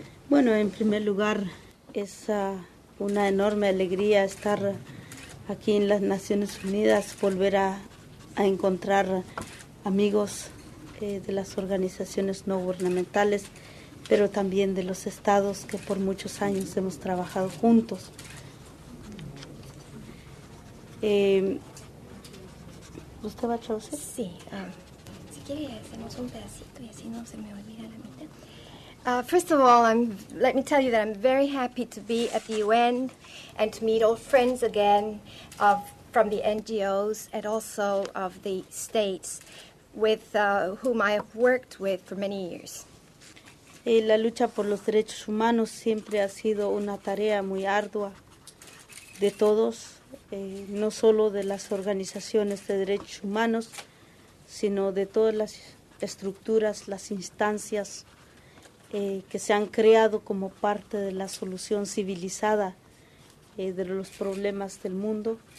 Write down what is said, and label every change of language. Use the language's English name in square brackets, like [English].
[Spanish] Bueno, en primer lugar, es una enorme alegría estar aquí en las Naciones Unidas, volver a encontrar amigos de las organizaciones no gubernamentales, pero también de los estados que por muchos años hemos trabajado juntos. ¿Usted va a traducir? Sí. Si quiere, hacemos un pedacito y así no se me olvida la mitad. [English] First of all, let me tell you that I'm very happy to be at the UN and to meet old friends again from the NGOs and also of the states with whom I have worked with for many years. [Spanish] La lucha por los derechos humanos siempre ha sido una tarea muy ardua de todos. No solo de las organizaciones de derechos humanos, sino de todas las estructuras, las instancias que se han creado como parte de la solución civilizada de los problemas del mundo.